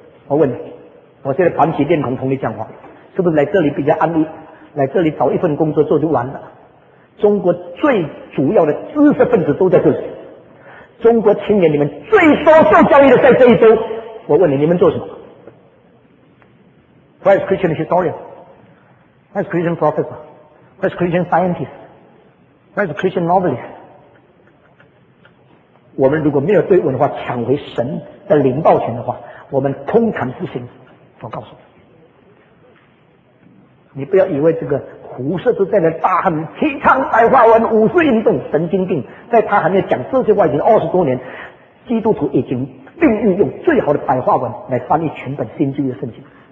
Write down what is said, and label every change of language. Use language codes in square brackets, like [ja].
[zh] 我问你，我现在板起面孔同你讲话，是不是来这里比较安逸？来这里找一份工作做就完了？中国最主要的知识分子都在这里，中国青年里面最受受教育的在这一周。我问你，你们做什么？ [en] Where is Christian historian? Where is Christian professor? Where is Christian scientist? Where is Christian novelist? [zh] 我们如果没有对文化抢回神的领导权的话，我们空谈不行。我告诉你，你不要以为这个胡适是在那大喊提倡白话文五四运动，神经病！在他还没有讲这些话已经二十多年，基督徒已经并运用最好的白话文来翻译全本新旧约圣经。